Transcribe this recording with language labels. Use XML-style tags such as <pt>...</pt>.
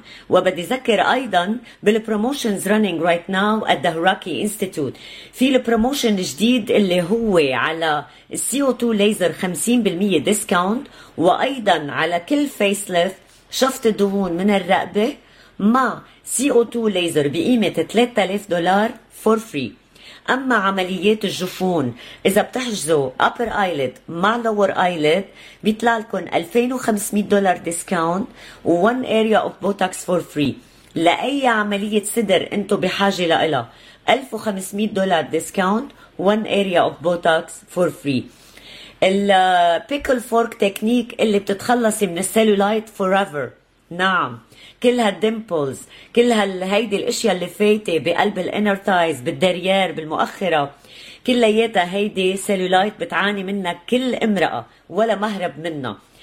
<ar>وبدي ذكر أيضا بالبروموشنز</ar> <en>running right now at the Hiraki Institute.</en> <ar>في البروموشن الجديد اللي هو على CO2 laser</ar> <en>50% discount,</en> <ar>وأيضا على كل facelift شفط الدهون من الرقبة مع CO2 ليزر بقيمة</ar> <en>$3,000 for free.</en> <ar>أما عمليات الجفون إذا بتحجزوا</ar> <en>upper eyelid</en> <ar>مع</ar> <en>lower eyelid</en> <ar>بيطلع لكم</ar> <en>$2,500 discount</en> <ar>و</ar> <en>one area of botox for free.</en> <ar>لأي عملية صدر أنتوا بحاجة لها</ar> <en>$1,500 discount one area of botox for free.</en> <ar>البيكل فورك تكنيك اللي بتتخلصي من السيلولايت فوريفر, نعم كل هالديمبلز كل هيدي الاشياء اللي فايته بقلب الانر تايز بالدريير بالمؤخره كلياتها هيدي سيلولايت بتعاني منها كل امراه ولا مهرب منها.</ar>